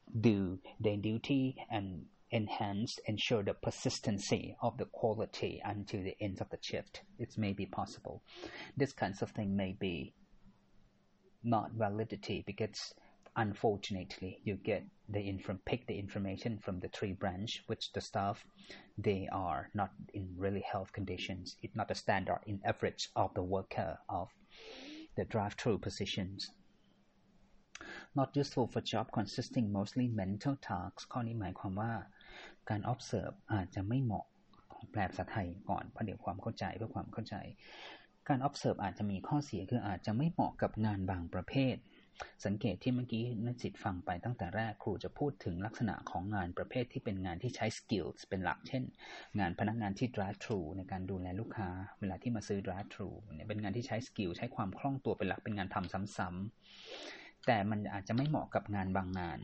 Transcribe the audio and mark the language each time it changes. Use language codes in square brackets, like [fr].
[en] do their duty and enhance ensure the persistency of the quality until the end of the shift it may be possible this kinds of thing may be not validity becauseUnfortunately, you get the pick the information from the three branch, which the staff, they are not in really health conditions. It's not a standard in average of the worker of the drive-through positions. Not useful for job consisting mostly mental tasks. [th] ข้อนี้หมายความว่าการ observe อาจจะไม่เหมาะแปลภาษาไทยก่อนเพื่อเดี๋ยวความเข้าใจเพื่อความเข้าใจการ observe อาจจะมีข้อเสียคืออาจจะไม่เหมาะกับงานบางประเภทสังเกตที่เมื่อกี้นักจิตฟังไปตั้งแต่แรกครูจะพูดถึงลักษณะของงานประเภทที่เป็นงานที่ใช้สกิลเป็นหลักเช่นงานพนักงานที่ drive thru ในการดูแลลูกค้าเวลาที่มาซื้อ drive thru เนี่ยเป็นงานที่ใช้สกิลใช้ความคล่องตัวเป็นหลักเป็นงานทำซ้ำๆแต่มันอาจจะไม่เหมาะกับงานบางง